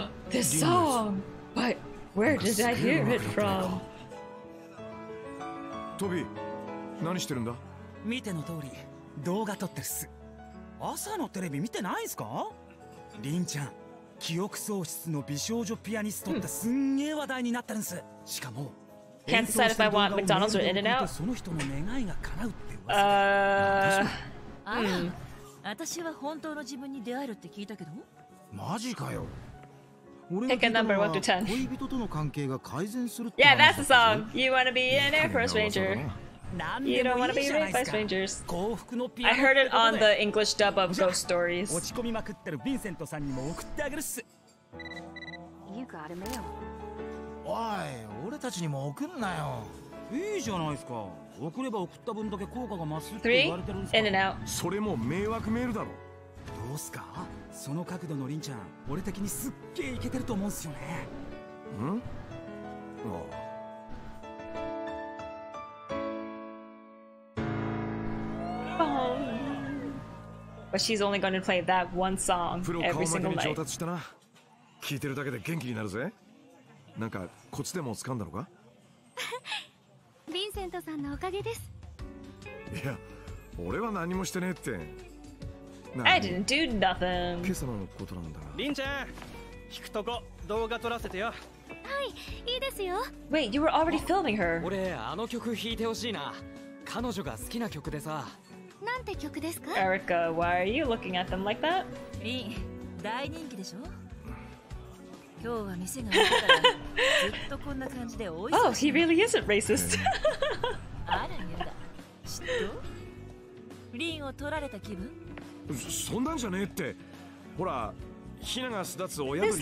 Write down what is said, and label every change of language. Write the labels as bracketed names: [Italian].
[English] This song! But where did I hear it from? Toby, what are you doing? I'm watching the video. I'm watching the video. Did you watch the TV in the morning? Lin-chan, [Japanese] 記憶喪失の美少女ピアニストってすんげー話題になってるんす。しかも [English] Can't decide if I want McDonald's or In-N-Out? [Japanese] その人の願いが叶うって噂。私は本当の自分に出会えるって聞いたけど。マジかよ。 [English] Pick a number 1 to 10. [Japanese] 恋人との関係が改善するって。 [English] Yeah, that's the song. You wanna be an Air Force Ranger. You don't wanna be an Air Force Ranger. I heard it on the English dub of Ghost Stories. [Japanese] 落ち込みまくってるヴィンセントさんにも送ってあげるっ [English] す。You got a mail. [Japanese] おい、俺たちにも送んなよ。いいじゃないですか。送れば送った分だけ効果が増すって言われてるんですか。 [English] 3? In and out. [Japanese] それも迷惑メールだろ。どうすか、その角度のリンちゃん、俺的にすっげーイケてると思うんすよね。ん、ああ [English] 、But she's only gonna play that one song every single night. [Japanese] プロ顔負けに上達したな。聞いてるだけで元気になるぜ。なんかコツでも掴んだのか。ヴィンセントさんのおかげです。いや、俺は何もしてねえって。 [English] I didn't do nothing. [Japanese] 今朝のことなんだ。リンちゃん、引くとこ動画撮らせてよ。はい、いいですよ。 [English] Wait, you were already filming her. [Japanese] 俺、あの曲弾いてほしいな。彼女が好きな曲でさ。なんて曲ですか？ [English] Erica, why are you looking at them like that? [Japanese] リン、大人気でしょ？今日は店が開いたらずっとこんな感じで美味 [English] しい。Oh, he really isn't racist. [Japanese] あるんだ。嫉妬？リンを取られた気分？そんなんじゃねえって。ほら、ひなが巣立つ親鳥。